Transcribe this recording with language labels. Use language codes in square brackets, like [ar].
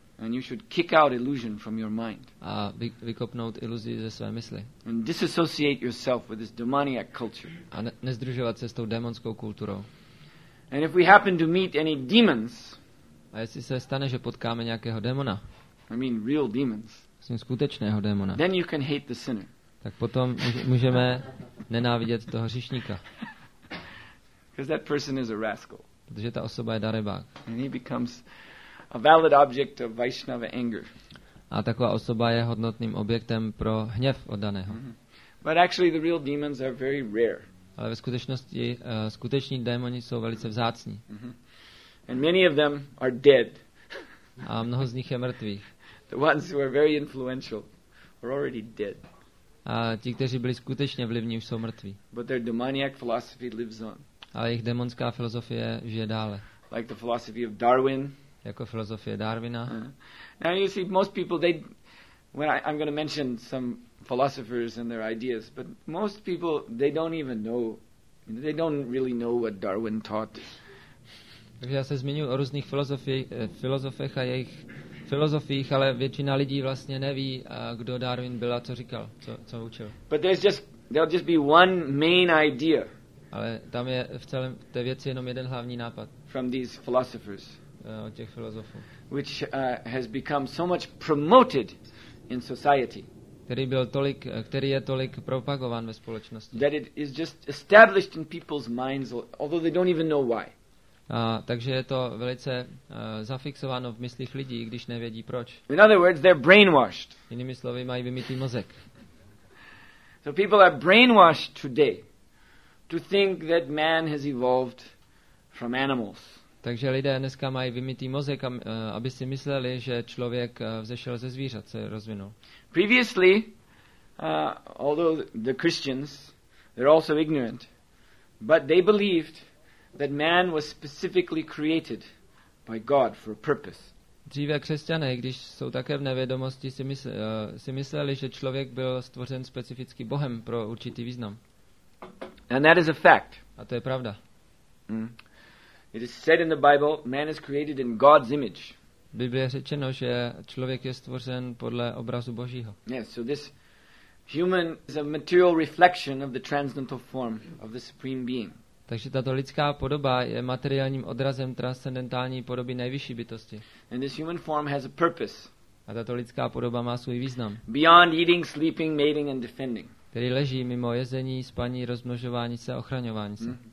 [en] And you should kick out illusion from your mind. [cs] A vykopnout iluzi ze své mysli. [en] And disassociate yourself with this demonic culture. [cs] A nezdružovat se s tou démonskou kulturou. [en] And if we happen to meet any demons, [cs] a jestli se stane, že potkáme nějakého démona, [en] I mean real demons, [cs] myslím skutečného démona, [en] then you can hate the sinner. [cs] Tak potom můžeme nenávidět toho hříšníka. [en] Because that person is a rascal. [cs] Protože ta osoba je darebák. [en] And he becomes a valid object of Vaishnava anger. [cs] A taková osoba je hodnotným objektem pro hněv oddaného. [en] But actually the real demons are very rare. [cs] Ale ve skutečnosti skuteční démoni jsou velice vzácní. [en] And many of them are dead. [cs] A mnoho z nich je mrtvých. [en] The ones who are very influential are already dead. [cs] A ti, kteří byli skutečně vlivní, už jsou mrtví. [en] But their demoniac philosophy lives on. [cs] Ale jejich démonská filozofie žije dále. [en] Like the philosophy of Darwin. [cs] Jako filozofie Darwina. [en] Now you see most people they when I'm going to mention some philosophers and their ideas, but most people they don't even know, they don't really know what Darwin taught. [cs] Takže já se zmiňuji o různých filozofech a jejich filozofiích, ale většina lidí vlastně neví, kdo Darwin byl a co říkal, co učil. [en] But there'll just be one main idea. [cs] Ale tam je v celém té věci jenom jeden hlavní nápad. [en] From these philosophers. [cs] Od těch filozofů. [en] Which has become so much promoted in society. [cs] Který je tolik propagován ve společnosti. [en] That it is just established in people's minds, although they don't even know why. [cs] Takže je to velice zafixováno v myslích lidí, když nevědí proč. [en] In other words, they're brainwashed. [cs] Jinými slovy, mají vymytý mozek. [en] So people are brainwashed today to think that man has evolved from animals. [cs] Takže lidé dneska mají vymytý mozek, aby si mysleli, že člověk vzešel ze zvířat, se rozvinul. [en] Previously, although the Christians, they're also ignorant, but they believed that man was specifically created by God for a purpose. [cs] Dříve křesťané, když jsou také v nevědomosti, si mysleli, že člověk byl stvořen specificky Bohem pro určitý význam. [en] And that is a fact. [cs] A to je pravda. [en] It is said in the Bible, man is created in God's image. [cs] Bible je řečeno, že člověk je stvořen podle obrazu Božího. [en] Yes, so this human is a material reflection of the transcendental form of the supreme being. [cs] Takže tato lidská podoba je materiálním odrazem transcendentální podoby nejvyšší bytosti. [en] And this human form has a purpose. [cs] A tato lidská podoba má svůj význam. [en] Beyond eating, sleeping, mating and defending. [cs] Který leží mimo jezení, spaní, rozmnožování se, ochraňování se.